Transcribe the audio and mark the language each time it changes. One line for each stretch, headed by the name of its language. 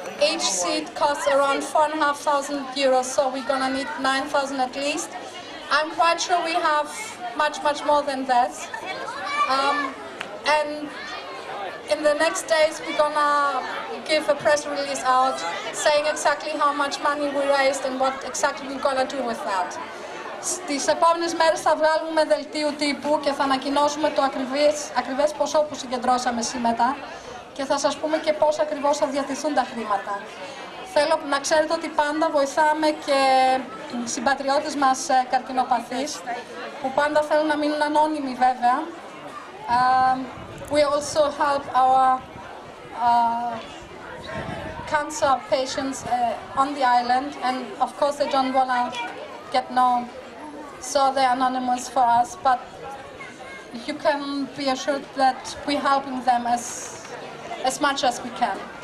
English: Each seat costs around 4,500 euros, so we're gonna need 9,000 at least. I'm quite sure we have much more than that. And in the next days we're gonna give a press release out saying exactly how much money we raised and what exactly we're gonna do with that.
Greek: Στις επόμενες μέρες θα βγάλουμε δελτίο τύπου και θα ανακοινώσουμε το ακριβές ποσό που συγκεντρώσαμε σήμερα και θα σας πούμε και πώς ακριβώς θα διατηθούν τα χρήματα. Θέλω να ξέρετε ότι πάντα βοηθάμε και συμπατριώτες μας καρκινοπαθείς, που πάντα θέλουν να μείνουν ανώνυμοι βέβαια.
English: We also help our cancer patients on the island, and of course they don't wanna get known, so they're anonymous for us. But you can be assured that we're helping them as much as we can.